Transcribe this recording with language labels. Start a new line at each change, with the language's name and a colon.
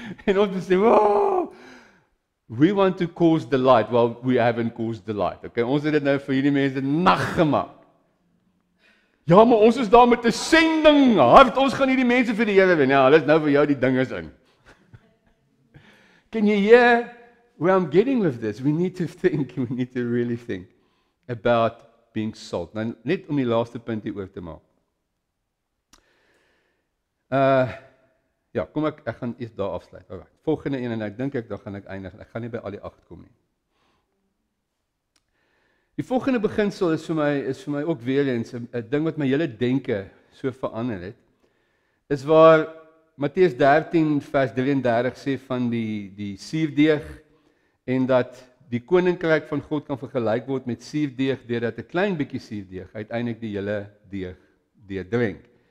Afrikaans: En ons sê,
English: oh, we want to cause the light, well, we haven't caused the light.
Afrikaans: Okay, ons het dit nou vir hierdie mense nag gemaak. Ja, maar ons is daar met 'n sending hart, ons gaan hierdie mense vir die Here wen. Ja, hulle is nou vir jou die dinges in.
English: Can you hear where I'm getting with this? We need to think, we need to really think about being salt.
Afrikaans: Nou, net om die laaste punt hier oor te maak. Ek gaan eers daar afsluit. Alright. Volgende een, en ek dink ek, daar gaan ek eindig. Ek gaan nie by al die 8 kom nie. Die volgende beginsel is vir my ook weer eens, een ding wat my hele denke so verander het, is waar Matteus 13 vers 33 sê van die suurdeeg, en dat die koninkryk van God kan vergelyk word met suurdeeg, deurdat 'n klein bietjie suurdeeg uiteindelik die hele deeg deurdrink.